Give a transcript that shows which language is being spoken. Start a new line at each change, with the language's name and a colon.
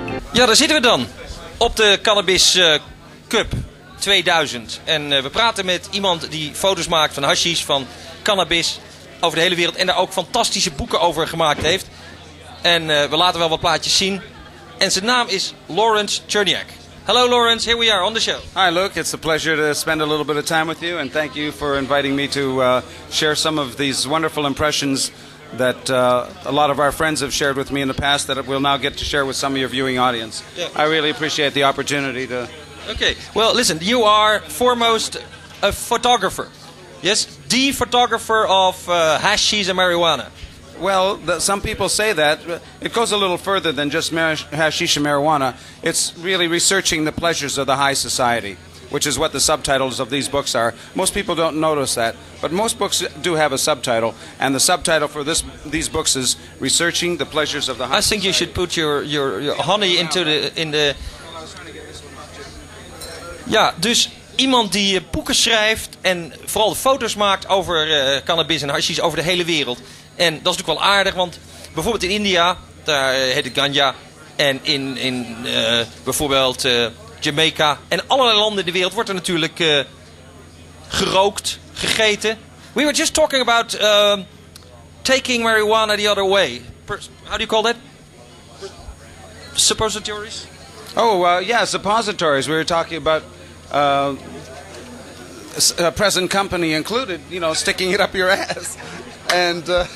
Dutch: Ja, daar zitten we dan op de Cannabis Cup 2000. En we praten met iemand die foto's maakt van hashish, van cannabis over de hele wereld. En daar ook fantastische boeken over gemaakt heeft. En we laten wel wat plaatjes zien. En zijn naam is Lawrence Cherniak.
English: Hello, Lawrence. Here we are on the show. Hi, Luke. It's a pleasure to spend a little bit of time with you, and thank you for inviting me to share some of these wonderful impressions that a lot of our friends have shared with me in the past that we'll now get to share with some of your viewing audience. Yeah. I really appreciate the opportunity to... Okay. Well, listen, you are foremost a photographer. Yes? The photographer of hashish and marijuana. Well, some people say that. It goes a little further than just hashish and marijuana. It's really researching the pleasures of the high society, which is what the subtitles of these books are. Most people don't notice that, but most books do have a subtitle, and the subtitle for these books is Researching the Pleasures of the High Society. I think you should put your honey into the...
Dutch: Yeah, dus iemand die boeken schrijft en vooral foto's maakt over cannabis en hashish over de hele wereld. En dat is natuurlijk wel aardig, want bijvoorbeeld in India, daar heet het ganja. En in bijvoorbeeld Jamaica en allerlei landen in de wereld wordt er natuurlijk gerookt, gegeten.
English: We were just talking about taking marijuana the other way. How do you call that? Suppositories? Suppositories. We were talking about... present company included, you know, sticking it up your ass. And...